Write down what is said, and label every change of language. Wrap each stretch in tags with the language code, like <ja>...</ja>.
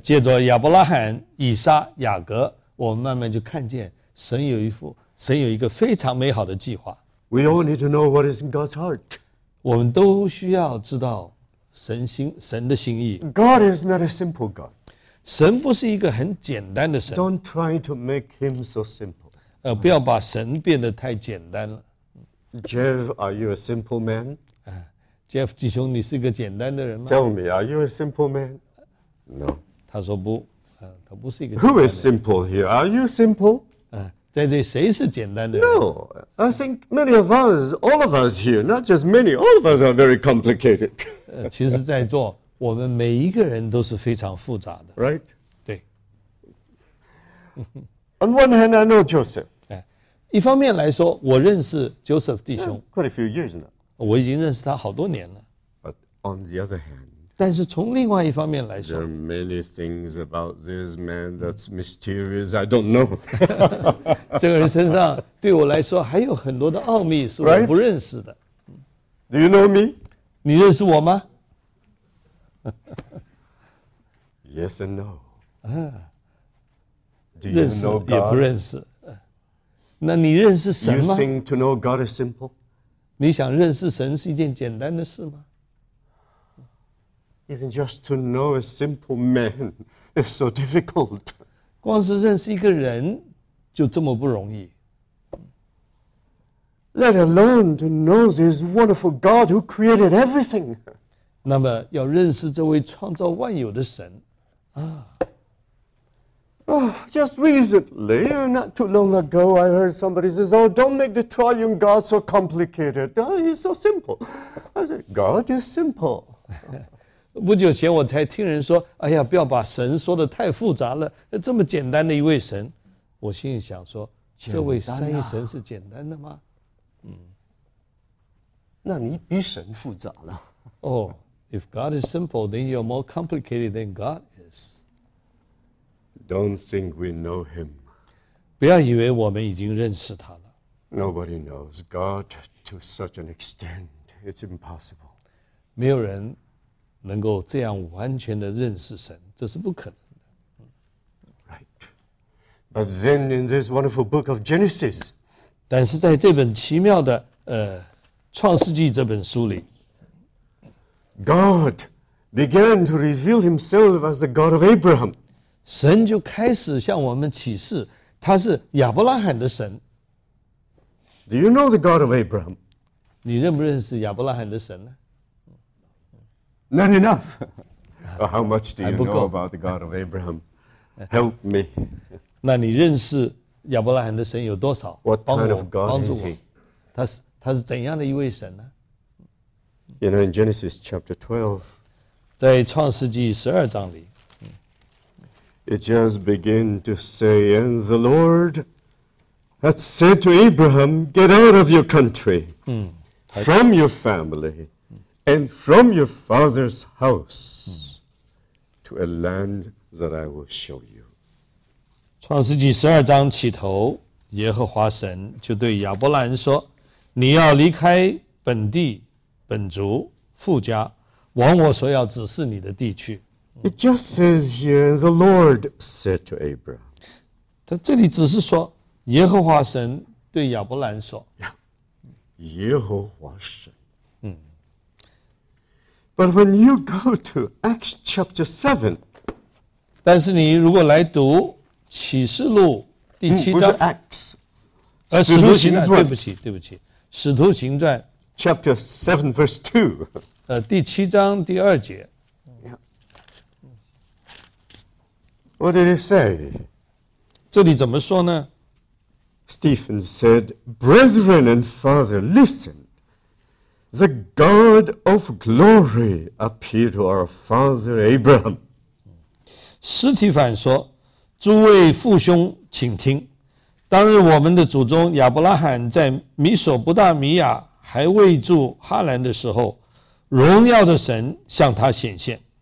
<zh>借着亚伯拉罕、以撒、雅各，我们慢慢就看见神有一个非常美好的计划。</zh> <en>We all need to know what is in God's heart.</en> <zh>我们都需要知道神的心意。</zh> <en>God is not a simple God.</en> <zh>神不是一个很简单的神。</zh> <en>Don't try to make him so simple.</en> <zh>不要把神变得太简单了。</zh> <en>Jeff, are you a simple man?</en> <zh>Jeff 弟兄，你是一个简单的人吗？</zh> <en>Tell me, are you a simple man? No.</en> <zh>他说不，他不是一个。</zh> <en>Who is simple here? Are you simple?</en> <zh>在这里谁是简单的</zh> <en>No, I think many of us, all of us here, not just many, all of us are very complicated.</en> <zh>其实在座我们每一个人都是非常复杂的</zh> <en>Right?</en> <zh>对</zh> <en>On one hand, I know Joseph.</en> <zh>一方面来说我认识 Joseph 弟兄</zh> <en>Quite a few years now.</en> <zh>我已经认识他好多年了</zh> <en>But on the other hand,</en> <zh>但是从另外一方面来说</zh> <en>There are many things about this man that's mysterious, I don't know.</en> <zh>这个人身上对我来说还有很多的奥秘是我不认识的。</zh> <en>Right? Do you know me?</en> <zh>你认识我吗?</zh> <en>Yes and no. Do you know God?</en> <zh>也不认识。那你认识神吗?</zh> <en>You think to know God is simple?</en> <zh>你想认识神是一件简单的事吗?</zh> <en>Even just to know a simple man is so difficult.</en> <zh>光是认识一个人就这么不容易。</zh> <en>Let alone to know this wonderful God who created everything.</en> <zh>那么要认识这位创造万有的神。</zh> <en>Just recently, not too long ago, I heard somebody says, oh, don't make the triune God so complicated. He's so simple. I said, God is simple.</en> <zh>不久前我才听人说哎呀不要把神说得太复杂了这么简单的一位神我心里想说这位三一神是简单的吗那你比神复杂了</zh> <en>Oh, if God is simple, then you're more complicated than God is. Don't think we know him.</en> <zh>不要以为我们已经认识他了。</zh> <en>Nobody knows God to such an extent. It's impossible.</en> <zh>没有人能够这样完全的认识神，这是不可能的。</zh> <en>Right. But then in this wonderful book of Genesis,</en> <zh>但是在这本奇妙的创世纪这本书里</zh> <en>，God began to reveal Himself as the God of Abraham.</en> <zh>神就开始向我们启示，他是亚伯拉罕的神。</zh> <en>Do you know the God of Abraham?</en> <zh>你认不认识亚伯拉罕的神呢？</zh> <en>Not enough. How much do you know about the God of Abraham? Help me.</en> <zh>那你认识亚伯拉罕的神有多少</zh> <en>What kind of God is he?</en> <zh>他是怎样的一位神呢</zh> <en>You know, in Genesis chapter 12,</en> <zh>在创世纪十二章里</zh> <en>it just began to say, And the Lord had said to Abraham, Get out of your country, from your family, And from your father's house to a land that I will show you.</en> <zh>创世纪十二章起头，耶和华神就对亚伯兰说：“你要离开本地、本族、父家，往我所要指示你的地去。”</zh> <en>It just says here, the Lord said to Abraham.</en> <zh>他这里只是说，耶和华神对亚伯兰说：“ 耶和华神。”</zh> <en>But when you go to Acts chapter 7,</en> <zh>但是你如果来读启示录第七章，不是 Acts，使徒行传，对不起，使徒行传</zh> <en>chapter 7 verse 2，</en> <zh>第七章第二节。</zh> <en>What did he say?</en> <zh>这里怎么说呢？</zh> <en>Stephen said, Brethren and father, listen. The God of glory appeared to our father Abraham.</en> <zh>史提凡说，诸位父兄请听，当日我们的祖宗亚伯拉罕在米索不达米亚还未住哈兰的时候，荣耀的神向他显现。</zh>